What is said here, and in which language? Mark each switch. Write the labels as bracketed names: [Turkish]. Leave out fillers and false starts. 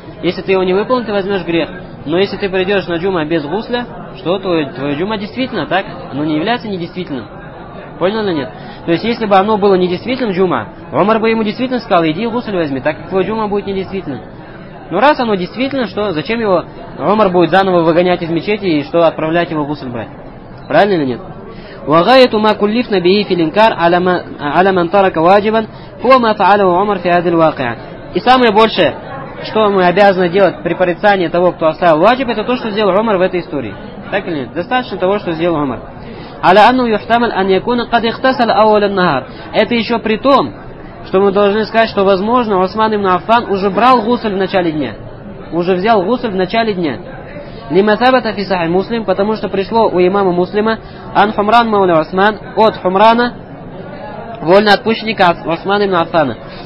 [Russian] Если ты его не выполнил, ты возьмешь грех. Но если ты придешь на джума без гусля, что твой джума действительно, так? Оно не является недействительным. Понял или нет? То есть, если бы оно было недействительным, джума, Умар бы ему действительно сказал, иди гусль возьми, так как твой джума будет недействительным. Но раз оно действительно, что зачем его Умар будет заново выгонять из мечети и что отправлять его гусль брать? Правильно или нет? [Arabic] وغايه ما كلفنا به في الانكار على من ترك واجبا هو ما فعله عمر في هذه الواقعه. [Russian] И самое большее, что мы обязаны делать при порицании того, кто оставил ваджиб, это то, что сделал Умар в этой истории. Так или нет? Достаточно того, что сделал Умар. [Arabic] على انه يحتمل ان يكون قد اغتسل اول النهار. [Russian] Это еще при том, что мы должны сказать, что возможно, Усман ибн Аффан уже брал гусль в начале дня. Уже взял гусль в начале дня. [Arabic] لِمَثَابَةَ فِي صَحِحِ مُسْلِمٍ [Russian] потому что пришло у имама Муслима ан Хумран мауля Усман от Хумрана вольно отпущенника Усмана ибн Аффана